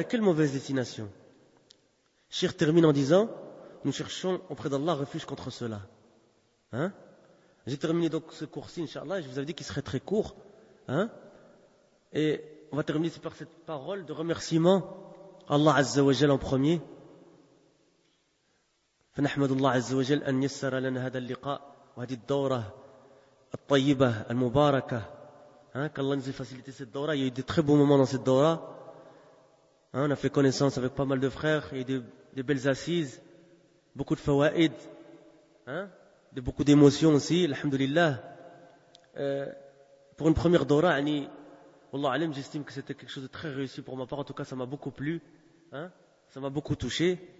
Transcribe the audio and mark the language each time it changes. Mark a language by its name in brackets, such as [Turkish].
[French] Et quelle mauvaise destination. Cheikh termine en disant, nous cherchons auprès d'Allah refuge contre cela. Hein? J'ai terminé donc ce cours-ci, Inch'Allah, et je vous avais dit qu'il serait très court. Hein? Et on va terminer par cette parole de remerciement. Allah Azza wa Jal en premier. [Arabic] فنحمد الله عز وجل أن يسر لنا هذا اللقاء وهذه الدورة الطيبة المباركة. Hein? [French] Qu'Allah nous ait facilité cette dora. Il y a eu des très beaux moments dans cette dora. Hein? On a fait connaissance avec pas mal de frères. Il y a eu des belles assises. Beaucoup de fawaïd. Hein? De beaucoup d'émotions aussi. Alhamdulillah. Pour une première dora, j'estime que c'était quelque chose de très réussi pour ma part. En tout cas, ça m'a beaucoup plu. Hein? Ça m'a beaucoup touché.